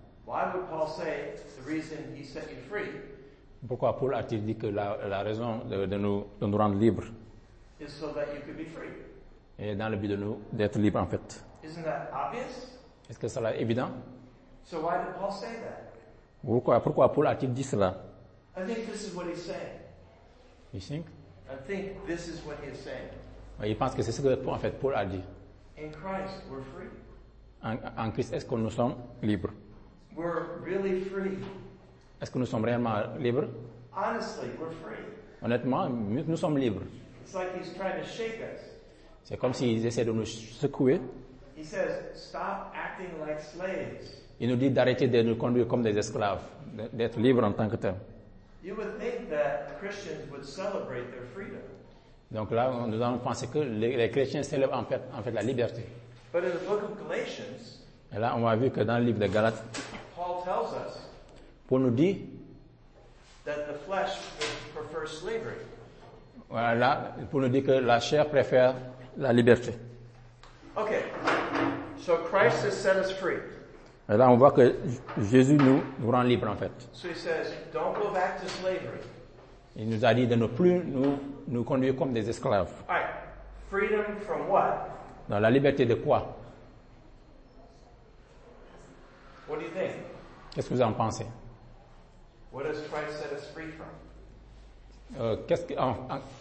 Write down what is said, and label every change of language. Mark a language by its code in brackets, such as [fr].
[en] Why would Paul say the reason he set you free? [fr] Pourquoi Paul a-t-il dit que la raison de nous rendre libre? [en] Is so that you could be free. [fr] Et dans le but de nous d'être libre en fait. [en] Isn't that obvious? [fr] Est-ce que cela est évident? [en] So why did Paul say that? [fr] Pourquoi Paul a-t-il dit cela? [en] I think this is what he's saying. You think? I think this is what he's saying. [fr] Ouais, il pense que c'est ce que en fait Paul a dit. [en] In Christ, we're free. [fr] En Christ, est-ce que nous sommes libres? [en] We're really free. [fr] Est-ce que nous sommes réellement libres? [en] Honestly, we're free. [fr] Honnêtement, nous sommes libres. [en] It's like he's trying to shake us. [fr] C'est comme s'ils essaient de nous secouer. [en] He says, stop acting like slaves. [fr] Il nous dit d'arrêter de nous conduire comme des esclaves, d'être libre en tant que tel. [en] You would think that Christians would celebrate their freedom. [fr] Donc là, nous allons penser que les chrétiens célèbrent en fait la liberté. [en] But in the book of Galatians, [fr] et là, on a vu que dans le livre de Galates, [en] Paul tells us, [fr] Paul nous dit [en] that the flesh prefers slavery. [fr] Voilà, pour nous dire que la chair préfère la liberté. [en] Okay, so Christ has set us free. [fr] Et là, on voit que Jésus nous rend libres, en fait. [en] So he says, don't go back to slavery. [fr] Il nous a dit de ne plus nous conduire comme des esclaves. [en] All right. Freedom from what? [fr] Non, la liberté de quoi? [en] What do you think? [fr] Qu'est-ce que vous en pensez? [en] What does Christ set us free from?